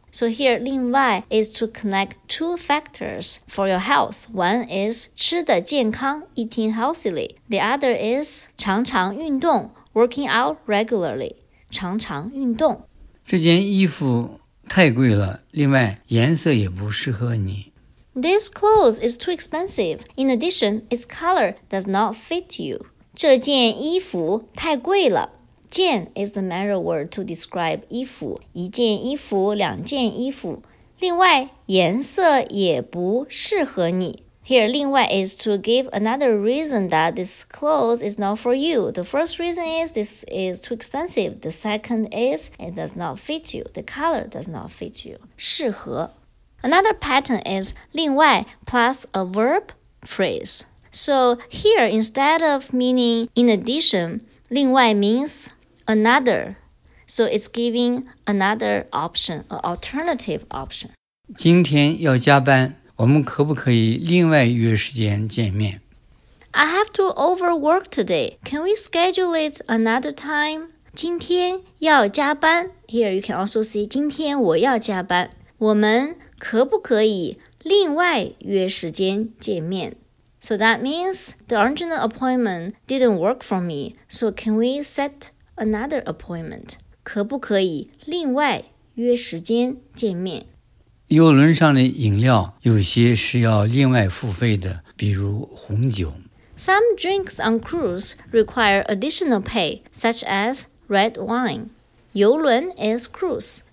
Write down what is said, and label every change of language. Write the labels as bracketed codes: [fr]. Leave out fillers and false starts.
[en] So here, [zh] 另外 [en] is to connect two factors for your health. One is [zh] 吃的健康 [en] eating healthily. The other is [zh] 常常运动 [en] working out regularly, [zh] 常常运动。这件衣服太贵了，另外颜色也不适合你。 [en] This clothes is too expensive. In addition, its color does not fit you. [zh] 这件衣服太贵了。件 [en] is the manner word to describe [zh] 衣服。一件衣服，两件衣服。另外颜色也不适合你。 [en] Here, [zh] 另外 [en] is to give another reason that this clothes is not for you. The first reason is this is too expensive. The second is it does not fit you. The color does not fit you. [zh] 适合。 [en] Another pattern is [zh] 另外 [en] plus a verb phrase. So here, instead of meaning in addition, [zh] 另外 [en] means another. So it's giving another option, an alternative option. [zh] 今天要加班。我们可不可以另外约时间见面？ [en] I have to overwork today. Can we schedule it another time? [zh] 今天要加班。 [en] Here you can also say [zh] 今天我要加班。我们可不可以另外约时间见面？ [en] So that means the original appointment didn't work for me. So can we set another appointment? [zh] 可不可以另外约时间见面？游轮上的饮料有些是要另外付费的，比如红酒。 [en] Some drinks on cruise require additional pay, such as red wine. [zh] 游轮 [en] is cruise.